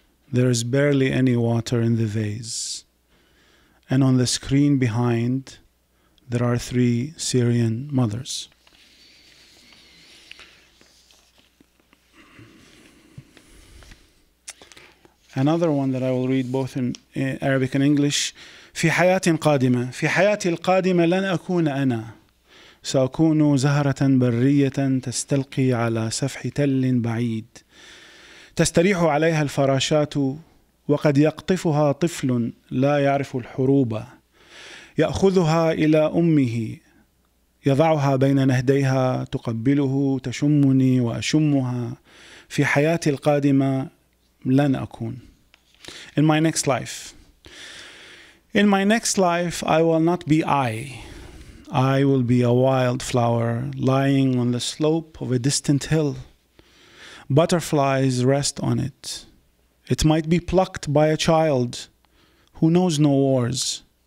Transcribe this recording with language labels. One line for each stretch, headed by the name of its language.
English: There is barely any water in the vase. And on the screen behind, there are three Syrian mothers. Another one that I will read both in Arabic and English.
Arabic: في حياتي القادمة في حياتي القادمة لن أكون أنا سأكون زهرة برية تستلقي على سفح تل بعيد تستريح عليها الفراشات وقد يقطفها طفل لا يعرف الحروب يأخذها إلى أمه يضعها بين نهديها تقبله تشمني وأشمها في حياتي القادمة لن أكون.
English: In my next life. In my next life, I will not be I. I will be a wildflower lying on the slope of a distant hill. Butterflies rest on it. It might be plucked by a child who knows no wars.